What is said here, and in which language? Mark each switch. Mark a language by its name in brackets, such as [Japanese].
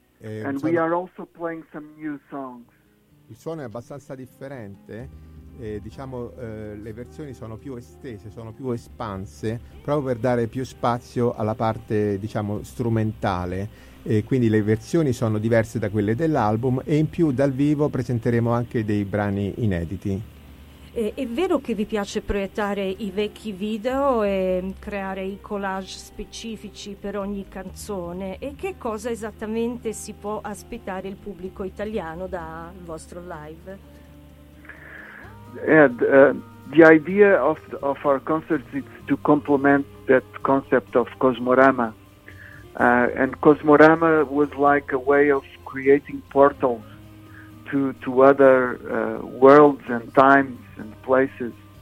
[English] And we are also playing some new songs. [Italian] Il suono è abbastanza differente, le versioni sono più estese, sono più espanse, proprio per dare più spazio alla parte, diciamo, strumentale. E quindi le versioni sono diverse da quelle dell'album e in più dal vivo presenteremo anche dei brani inediti. È vero che vi piace proiettare i vecchi video e creare i collage specifici per ogni canzone? E che cosa esattamente si può aspettare il pubblico italiano dal vostro live? [English] The idea of our concerts is to complement that concept of Cosmorama. And Cosmorama was like a way of creating portals to other worlds and times and places.